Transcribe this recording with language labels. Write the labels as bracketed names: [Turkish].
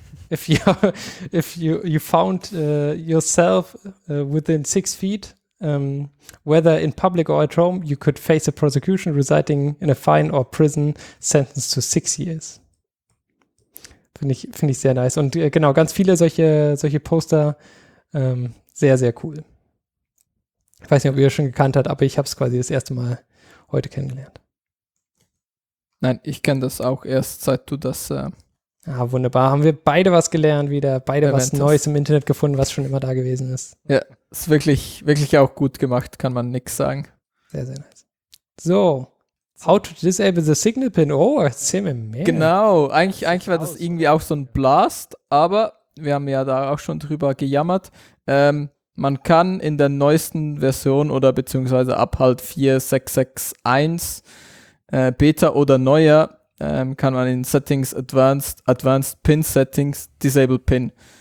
[English] If you found yourself within 6 feet, whether in public or at home, you could face a prosecution resulting in a fine or prison sentence to 6 years. [German] Finde ich sehr nice. Und genau, ganz viele solche Poster. Sehr, sehr cool. Ich weiß nicht, ob ihr es schon gekannt habt, aber ich habe es quasi das erste Mal heute kennengelernt. Nein, ich kenne das auch erst, seit du das Wunderbar. Haben wir beide was gelernt wieder, beide was Neues im Internet gefunden, was schon immer da gewesen ist. Ja, ist wirklich, wirklich auch gut gemacht, kann man nix sagen. Sehr, sehr nice. [English] So, how to disable the signal pin. [German] Oh, erzähl mir mehr. Genau, eigentlich war das irgendwie auch so ein Blast, aber wir haben ja da auch schon drüber gejammert. Man kann in der neuesten Version oder beziehungsweise ab halt 4.6.6.1 Beta oder neuer kann man in Settings Advanced Pin Settings Disable Pin.